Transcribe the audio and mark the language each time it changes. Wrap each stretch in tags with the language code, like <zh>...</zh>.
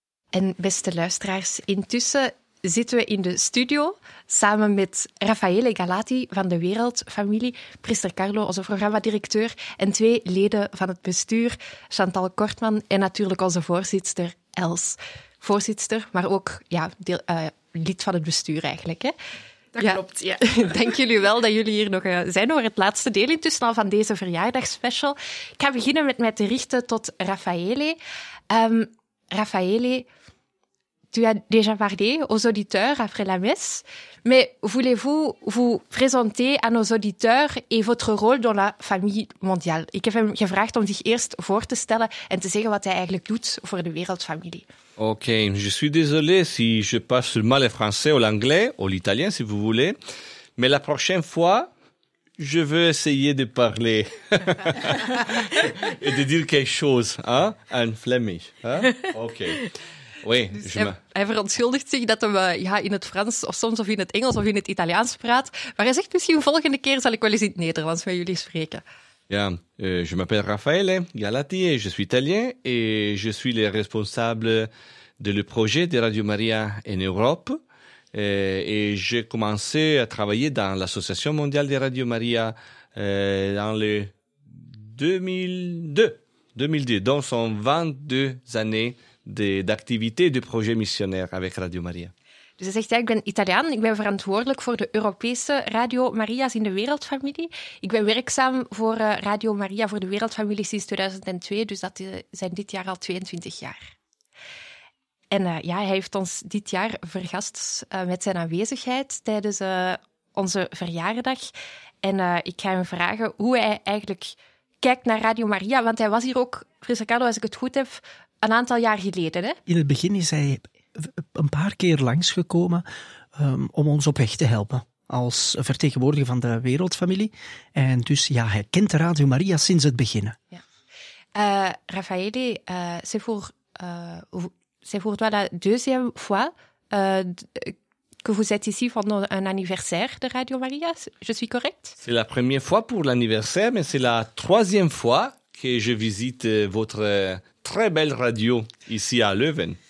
<nl>En beste luisteraars, intussen zitten we in de studio samen met Raffaele Galati van de Wereldfamilie, priester Carlo, onze programmadirecteur, en twee leden van het bestuur, Chantal Kortman en natuurlijk onze voorzitter Els. Voorzitter, maar ook lid van het bestuur eigenlijk. Hè? Dat klopt, ja. Dank jullie wel dat jullie hier nog zijn over het laatste deel intussen al van deze verjaardagsspecial. Ik ga beginnen met mij te richten tot Raffaele.</nl> <fr>Raffaele, tu as déjà parlé aux auditeurs après la messe, mais voulez-vous vous présenter à nos auditeurs et votre rôle dans la famille mondiale?</fr> <nl>Ik heb hem gevraagd om zich eerst voor te stellen en te zeggen wat hij eigenlijk doet voor de wereldfamilie.</nl> <fr>Ok, je suis désolé si je passe mal le français ou l'anglais, ou l'italien si vous voulez, mais la prochaine fois, je veux essayer de parler et de dire quelque chose, hein, en flemmig, hein? Ok. Oui, dus</fr> <nl>hij verontschuldigt zich dat hij in het Frans of soms of in het Engels of in het Italiaans praat. Maar hij zegt misschien volgende keer zal ik wel eens in het Nederlands met jullie spreken.</nl> <fr>Ja, je m'appelle Raffaele Galati, je suis italien et je suis le responsable de le projet de Radio Maria en Europe. Et j'ai commencé à travailler dans l'Association mondiale de Radio Maria dans le 2002, donc son 22 années. D'activité du projet missionnaire avec Radio Maria.</fr> <nl>Dus hij zegt, ja, ik ben Italiaan, ik ben verantwoordelijk voor de Europese Radio Maria's in de wereldfamilie. Ik ben werkzaam voor Radio Maria voor de wereldfamilie sinds 2002, dus dat zijn dit jaar al 22 jaar. En hij heeft ons dit jaar vergast met zijn aanwezigheid tijdens onze verjaardag. En ik ga hem vragen hoe hij eigenlijk kijkt naar Radio Maria, want hij was hier ook, Frisse Carlo, als ik het goed heb, een aantal jaar geleden, hè? In het begin is hij een paar keer langsgekomen om ons op weg te helpen als vertegenwoordiger van de wereldfamilie. En dus, ja, hij kent Radio Maria sinds het begin. Ja.</nl> <fr>Raffaele, c'est pour toi la deuxième fois que vous êtes ici pendant un anniversaire de Radio Maria. Je suis correct? C'est la première fois pour l'anniversaire, mais c'est la troisième fois que je visite votre très belle radio ici à Leuven.</fr>